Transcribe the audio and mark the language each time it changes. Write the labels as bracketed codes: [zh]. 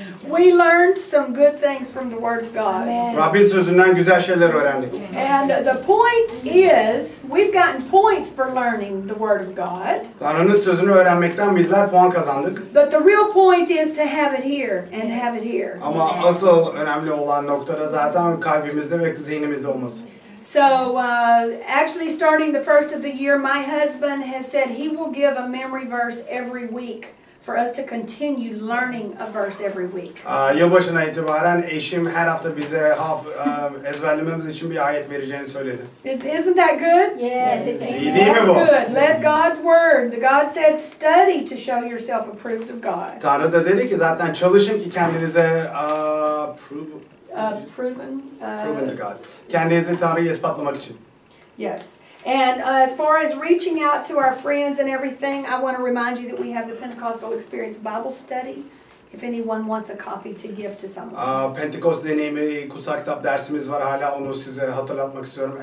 [en] We learned some good things from the Word of God. [tr] Amen. Rabbin sözünden güzel şeyler öğrendik. [en] And the point is, we've gotten points for learning the Word of God. [tr] Tanrı'nın sözünü öğrenmekten bizler puan kazandık. [en] But the real point is to have it here and yes. have it here. [tr] Ama asıl önemli olan nokta da zaten kalbimizde ve zihnimizde olması. [en] So, actually starting the first of the year, my husband has said he will give a memory verse every week for us to continue learning a verse every week. [tr] Yılbaşına itibaren eşim her hafta bize ezberlememiz için bir ayet vereceğini söyledi. [en] Isn't that good? Yes. [tr] İyi değil mi bu? [en] That's good. Let God's word, God said, study to show yourself approved of God. [tr] Tanrı da dedi ki zaten çalışın ki kendinize prove. [en] Proven to God. [tr] Kendinizi Tanrı'ya ispatlamak için. [en] Yes. And as far as reaching out to our friends and everything, I want to remind you that we have the Pentecostal Experience Bible Study. If anyone wants a copy to give to someone. [tr] Pentecost deneyimi kutsal kitap dersimiz var. Hala onu size hatırlatmak istiyorum.